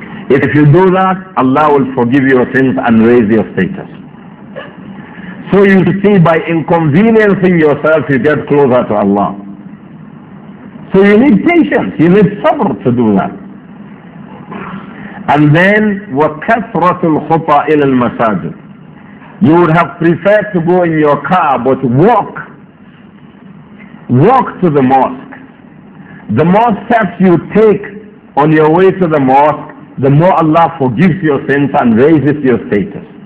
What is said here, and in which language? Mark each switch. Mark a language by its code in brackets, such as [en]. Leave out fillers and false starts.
[en] If you do that, Allah will forgive your sins and raise your status. So you see, by inconveniencing yourself, you get closer to Allah. So you need patience, you need sabr to do that. And then, [ar] وَكَثْرَةُ الْخُطَى إِلَى الْمَسَاجِدِ. [en] You would have preferred to go in your car, but walk. Walk to the mosque. The more steps you take on your way to the mosque, the more Allah forgives your sins and raises your status.